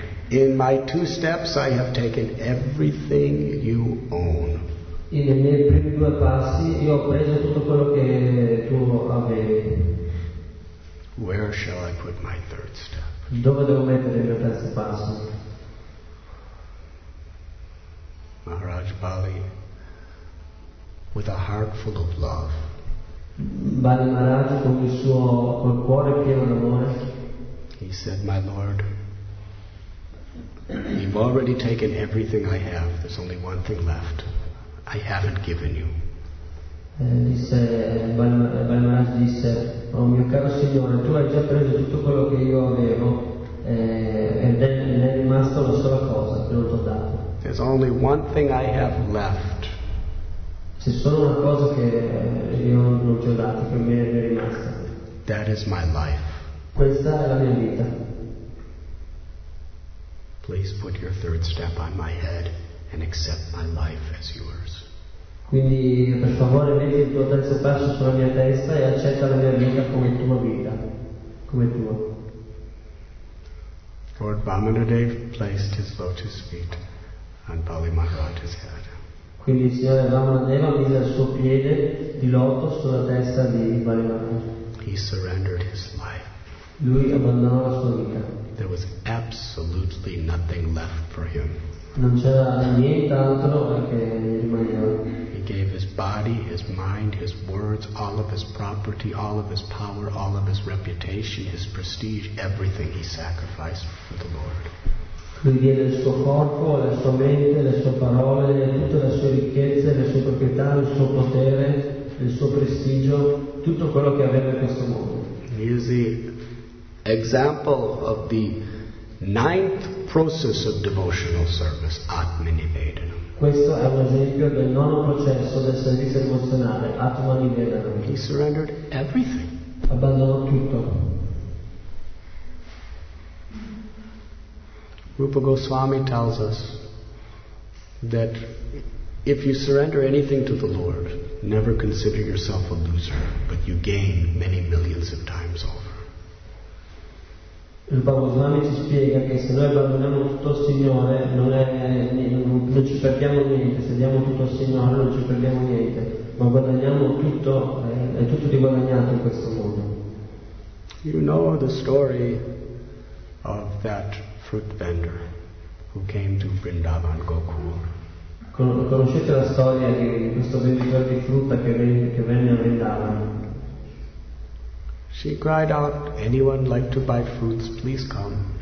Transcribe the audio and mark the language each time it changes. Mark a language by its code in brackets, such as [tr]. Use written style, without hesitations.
[en] In my 2 steps, I have taken everything you own. [it] E nei miei primi 2 passi io ho preso tutto quello che tu avevi. [en] Where shall I put my 3rd step? [it] Dove devo mettere il mio 3° passo? [en] Maharaj Bali, with a heart full of love, [it] Bali Maharaj con il suo col cuore pieno d'amore, [en] he said, "My Lord, you've already taken everything I have. There's only 1 thing left. I haven't given you." [it] Disse Balmaraj, disse: "Oh mio caro signore, tu hai già preso tutto quello che io avevo e ne è rimasta una sola cosa che non ti ho dato." [en] There's only 1 thing I have left. [it] C'è solo una cosa che io non ti ho dato, che mi è rimasta. [en] That is my life. [it] Questa è la mia vita. [en] Please put your 3rd step on my head and accept my life as yours. [it] Quindi per favore metti il tuo 3° passo sulla mia testa e accetta la mia vita come tua vita, come tua. [en] Lord Vamanadev placed his lotus feet on Bali Maharaj's head. [it] Quindi il signore Vamanadeva mise il suo piede di loto sulla testa di Bali Maharaj. [en] He surrendered his life. [it] Lui abbandonò la sua vita. [en] There was absolutely nothing left for him. [it] Non c'era nient'altro che rimaneva. [en] He gave his body, his mind, his words, all of his property, all of his power, all of his reputation, his prestige, everything he sacrificed for the Lord. [it] Lui diede il suo corpo, la sua mente, le sue parole, tutte le sue ricchezze, le sue proprietà, il suo potere, il suo prestigio, tutto quello che aveva in questo mondo. [en] He is the example of the 9th process of devotional service, Atmanivedanam. [it] Questo è un esempio del 9° processo del servizio emozionale, Atmanivedanam. [en] He surrendered everything. [it] Abbandonò tutto. [en] Rupa Goswami tells us that if you surrender anything to the Lord, never consider yourself a loser, but you gain many millions of times over. [it] Il Bhagavad Gita ci spiega che se noi abbandoniamo tutto al Signore non ci perdiamo niente, se diamo tutto al Signore non ci perdiamo niente, ma guadagniamo tutto, è tutto di guadagnato in questo mondo. [en] You know the story of that fruit vendor who came to Vrindavan Gokul. [it] Conoscete la storia di questo venditore di frutta che venne a Vrindavan? [en] She cried out, "Anyone like to buy fruits, please come."